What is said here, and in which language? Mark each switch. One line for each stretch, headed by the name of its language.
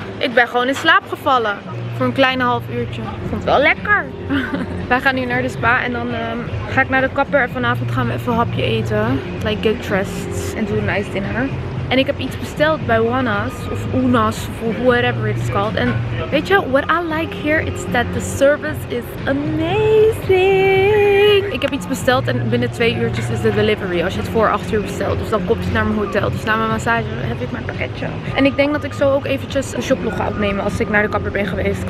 Dutch: Ik ben gewoon in slaap gevallen voor een kleine half uurtje. Vond het wel lekker. Wij gaan nu naar de spa en dan ga ik naar de kapper en vanavond gaan we even een hapje eten.
English: Like get dressed
Dutch: en doen een nice dinner. En ik heb iets besteld bij Wana's of Una's of
English: whatever it's called.
Dutch: En weet je,
English: what I like here is that the service is amazing.
Dutch: Ik heb iets besteld en binnen 2 uurtjes is de delivery. Als je het voor 8 uur bestelt. Dus dan kom je naar mijn hotel. Dus na mijn massage heb ik mijn pakketje. En ik denk dat ik zo ook eventjes een shoplog ga opnemen als ik naar de kapper ben geweest.